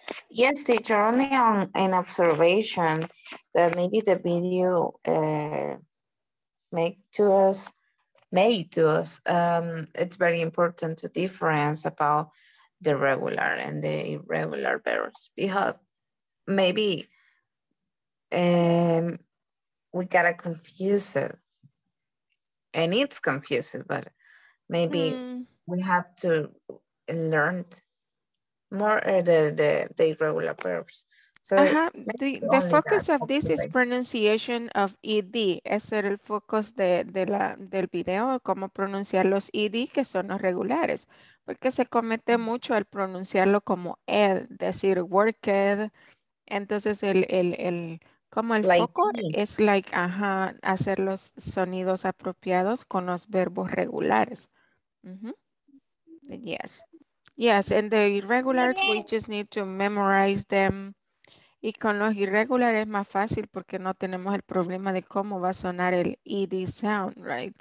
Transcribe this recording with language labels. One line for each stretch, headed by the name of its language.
English: Yes, teacher, only on an observation that maybe the video made to us, it's very important to difference about the regular and the irregular verbs, because maybe we got to confuse it, and it's confusing, but maybe we have to learn more the irregular verbs. So the focus of this is pronunciation of ED.
Spanish: Ese era el focus del video, cómo pronunciar los ED, que son los regulares. Porque se comete mucho al pronunciarlo como ed, decir worked. Entonces hacer los sonidos apropiados con los verbos regulares.
English: Mm-hmm. Yes. Yes, and the irregulars, we just need to memorize them.
Spanish: Y con los irregulares es más fácil porque no tenemos el problema de cómo va a sonar el
English: ED sound, right?